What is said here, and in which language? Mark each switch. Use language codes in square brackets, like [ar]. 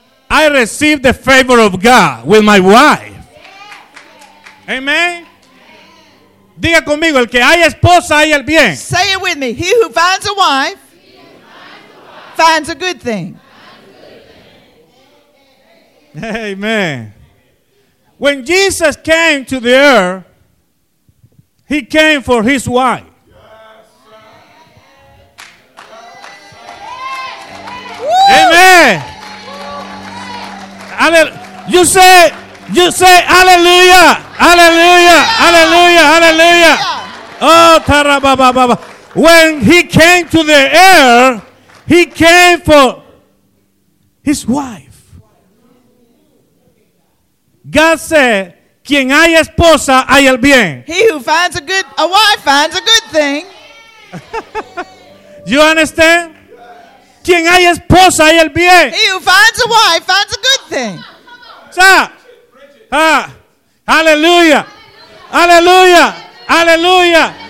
[en] I receive the favor of God with my wife. Yeah. Amen. [es] Diga conmigo, el que haya esposa, haya el bien. [en] Say it with me. He who finds a wife, finds a good thing. Amen. When Jesus came to the earth, he came for his wife. Amen. You say hallelujah. Hallelujah. Hallelujah. Hallelujah. Oh, tarabababa. When he came to the air, he came for his wife. God said, [es] quien hay esposa, hay el bien. [en] He who finds a wife finds a good thing. You understand? [es] Quien hay esposa hay el bien. [en] He who finds a wife finds a good thing. Hallelujah. Hallelujah. Hallelujah.